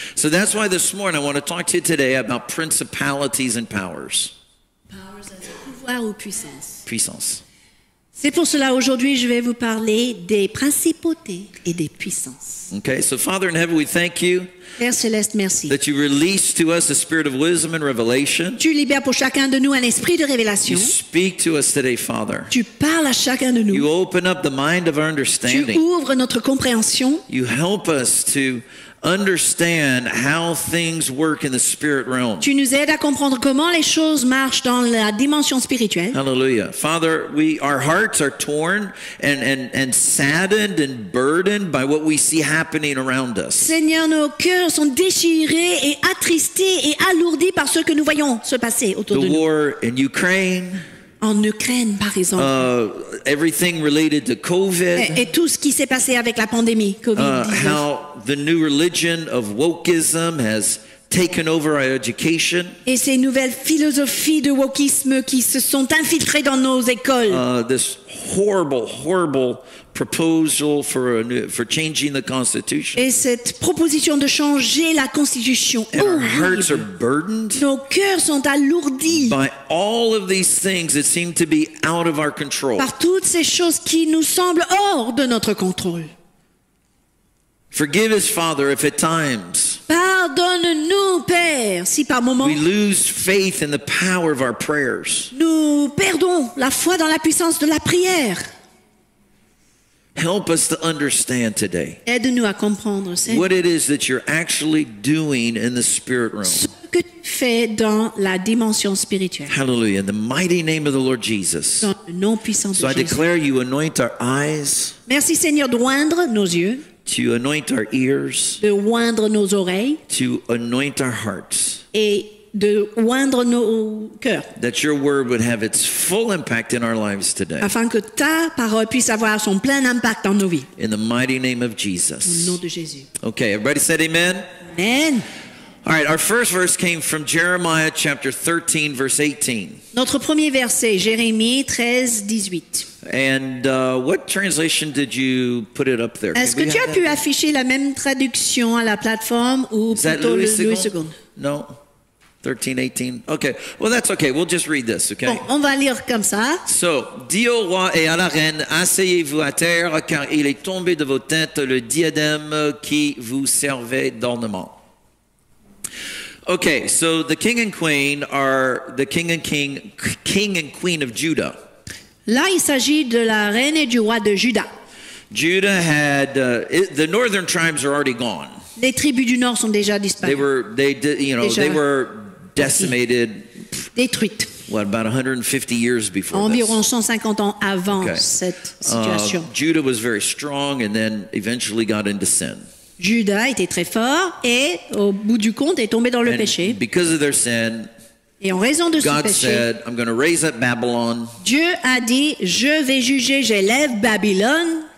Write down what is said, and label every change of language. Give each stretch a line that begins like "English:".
English: So that's why this morning I want to talk to you today about principalities and powers. Powers as
French: pouvoir ou puissance. Puissance. C'est pour cela aujourd'hui je vais vous parler des principautés et des puissances.
English: Okay, so Father in heaven, we thank you.
French: Père céleste, merci.
English: That you release to us a spirit of wisdom and revelation.
French: Tu libères pour chacun de nous un esprit de révélation.
English: You speak to us today, Father.
French: Tu parles à chacun de nous.
English: You open up the mind of our understanding.
French: Tu ouvres notre compréhension.
English: You help us to understand how things work in the spirit realm.
French: Tu nous aides à comprendre comment les choses marchent dans la dimension spirituelle.
English: Hallelujah. Father, our hearts are torn and saddened and burdened by what we see happening around us.
French: Seigneur, nos cœurs sont déchirés et attristés et alourdis par ce que nous voyons se passer autour de nous.
English: The war in Ukraine.
French: En Ukraine, par exemple.
English: Everything related to COVID.
French: Et tout ce qui s'est passé avec la pandémie COVID.
English: How the new religion of wokeism has taken over our education.
French: Et ces nouvelles philosophies de wokisme qui se sont infiltrées dans nos écoles.
English: This horrible, horrible proposal for changing the constitution.
French: Et cette proposition de changer la constitution.
English: And our hearts are burdened.
French: Nos cœurs sont alourdis.
English: By all of these things that seem to be out of our control.
French: Par toutes ces choses qui nous semblent hors de notre contrôle.
English: Forgive us, Father, if at times.
French: Pardonne-nous, Père, si par moments
English: we lose faith in the power of our prayers.
French: Nous perdons la foi dans la puissance de la prière.
English: Help us to understand today.
French: Aide-nous à comprendre, Seigneur.
English: What it is that you're actually doing in the spirit realm.
French: Ce que tu fais dans la dimension spirituelle.
English: Hallelujah. In the mighty name of the Lord Jesus.
French: Dans le nom puissant de Jésus.
English: So I declare you anoint our eyes.
French: Merci, Seigneur, d'oindre nos yeux.
English: To anoint our ears.
French: De oindre nos oreilles.
English: To anoint our hearts.
French: Et de oindre nos cœurs.
English: That your word would have its full impact in our lives today.
French: Afin que ta parole puisse avoir son plein impact dans nos vies.
English: In the mighty name of Jesus.
French: Au nom de Jésus.
English: Okay, everybody said amen. Amen. All right, our first verse came from Jeremiah chapter 13, verse 18.
French: Notre premier verset, Jérémie 13, 18.
English: And what translation did you put it up there?
French: Est-ce que tu as pu afficher la même traduction à la plateforme ou plutôt le Louis Seconde?
English: No. 13, 18. Okay. Well, that's okay. We'll just read this, okay?
French: Bon, on va lire comme ça. So, dis au roi et à la reine, asseyez-vous à terre, car il est tombé de vos têtes le diadème qui vous servait d'ornement.
English: Okay, so the king and queen are the king and queen of Judah.
French: Là, il s'agit de la reine et du roi de Juda.
English: Judah had the northern tribes are already gone.
French: Les tribus du nord sont déjà disparues.
English: They were decimated.
French: Détruites.
English: What, about 150 years before
French: environ
English: this?
French: Environ 150 ans avant okay. Cette situation.
English: Judah was very strong and then eventually got into sin.
French: Judas était très fort et au bout du compte est tombé dans le
English: and
French: péché.
English: Because of their sin,
French: et en raison de
English: God
French: ce péché,
English: said, I'm going to raise up Babylon.
French: Dieu a dit, je vais juger, j'élève Babylone.